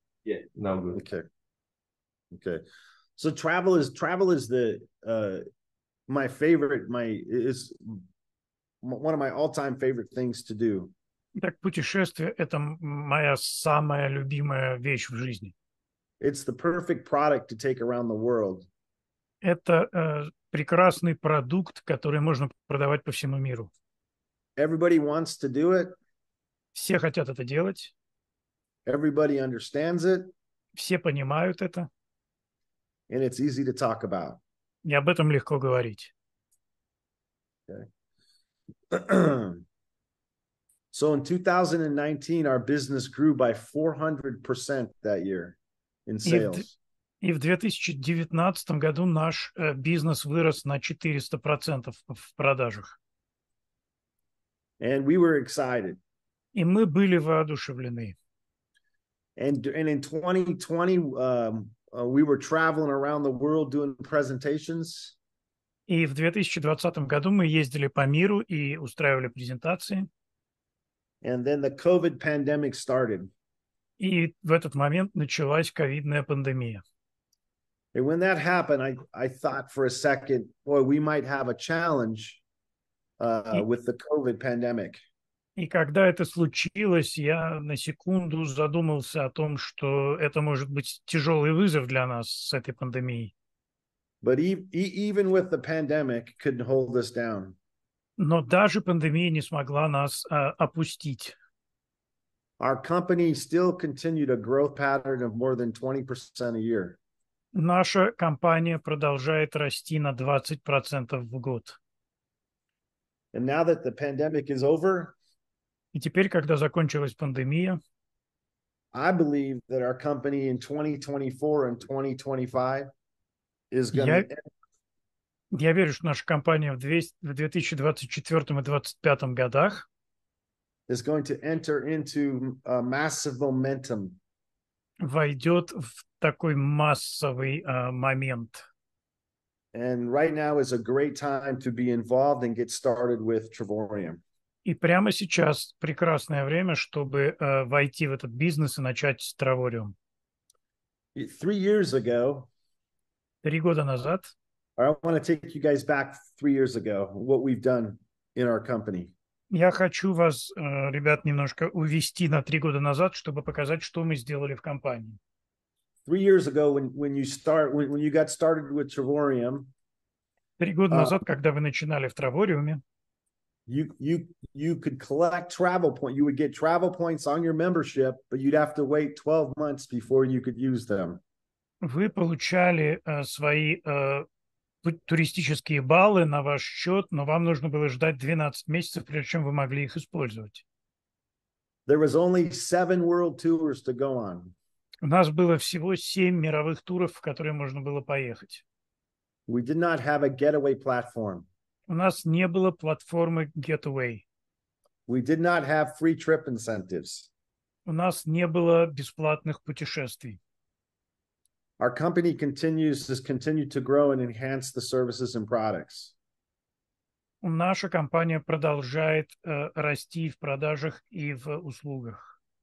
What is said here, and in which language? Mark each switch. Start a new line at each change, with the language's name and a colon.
English: Yeah, now good. Okay. So travel is the my favorite, one of my all-time favorite things to do.
Russian: Так путешествие – это моя самая любимая вещь в жизни.
English: It's the perfect product to take around the world.
Russian: Это прекрасный продукт, который можно продавать по всему миру.
English: Everybody wants to do it.
Russian: Все хотят это делать.
English: Everybody understands it.
Russian: Все понимают это.
English: And it's easy to talk about.
Russian: И об этом легко говорить.
English: Okay. So in 2019, our business grew by 400% that year in sales.
Russian: И в 2019 году наш бизнес вырос на 400% в продажах.
English: And we were excited.
Russian: И мы были воодушевлены.
English: And in 2020, we were traveling around the world doing presentations.
Russian: И в 2020 году мы ездили по миру и устраивали презентации.
English: And then the COVID pandemic started.
Russian: И в этот момент началась ковидная пандемия.
English: And when that happened, I thought for a second, boy, we might have a challenge with the COVID pandemic.
Russian: И когда это случилось, я на секунду задумался о том, что это может быть тяжелый вызов для нас с этой пандемией.
English: But even with the pandemic, couldn't hold us down.
Russian: Но даже пандемия не смогла нас опустить.
English: Our company still continued a growth pattern of more than 20% a year.
Russian: Наша компания продолжает расти на 20% в год.
English: And now that the pandemic is over,
Russian: и теперь, когда закончилась пандемия,
English: I believe that our company in 2024 and 2025 is going to end.
Russian: Я верю, что наша компания в 2024 и 2025 годах
English: is going to enter into a massive momentum.
Russian: Войдет в такой массовый момент.
English: And right now is a great time to be involved and get started with Trevorium.
Russian: И прямо сейчас прекрасное время, чтобы войти в этот бизнес и начать с Trevorium.
English: 3 years ago.
Russian: 3 года назад.
English: I want to take you guys back 3 years ago, what we've done in our company.
Russian: Я хочу вас, ребят, немножко увести на 3 года назад, чтобы показать, что мы сделали в компании.
English: 3 years ago, when you got started with Trevorium.
Russian: 3 года назад, когда вы начинали в Trevoriumе.
English: You could collect travel points. You would get travel points on your membership, but you'd have to wait 12 months before you could use them.
Russian: Вы получали свои туристические баллы на ваш счет, но вам нужно было ждать 12 месяцев, прежде чем вы могли их использовать.
English: There was only 7 world tours to go on.
Russian: У нас было всего 7 мировых туров, в которые можно было поехать.
English: We did not have a getaway platform.
Russian: У нас не было платформы Getaway.
English: We did not have free trip incentives.
Russian: У нас не было бесплатных путешествий.
English: Our company has continued to grow and enhance the services and products.
Russian: Наша компания продолжает расти в продажах и в услугах.